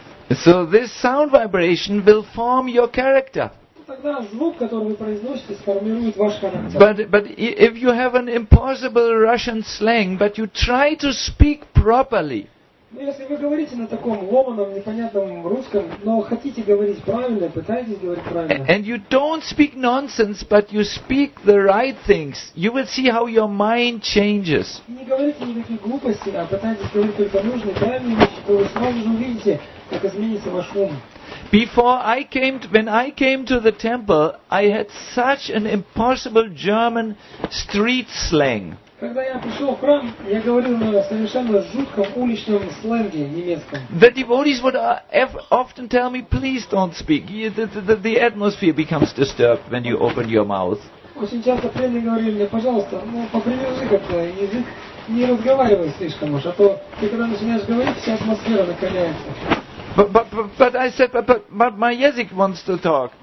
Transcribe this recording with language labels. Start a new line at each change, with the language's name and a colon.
English: So this sound vibration will form your character.
Russian: Тогда звук, который вы произносите, сформирует ваш характер.
English: But if you have an impossible Russian slang, but you try to speak properly.
Russian: Ну, если вы говорите на таком ломаном, непонятном русском, но хотите говорить правильно, пытаетесь говорить правильно.
English: And you don't speak nonsense, but you speak the right things. You will see how your mind changes.
Russian: И не говорите никаких глупостей, а пытаетесь говорить только нужные, правильные вещи, то вы сразу же увидите, как изменится ваш ум.
English: When I came to the temple, I had such an impossible German street slang.
Russian: Когда я пришел в храм, я говорил на совершенно жутком уличном сленге немецком.
English: The devotees would often tell me, please don't speak. The atmosphere becomes disturbed when you open your mouth.
Russian: Очень часто преданные говорили мне, пожалуйста, ну попридержи как-то язык, не разговаривай слишком уж, а то ты когда начинаешь говорить, вся атмосфера накаляется.
English: But I said, but my язык wants to talk.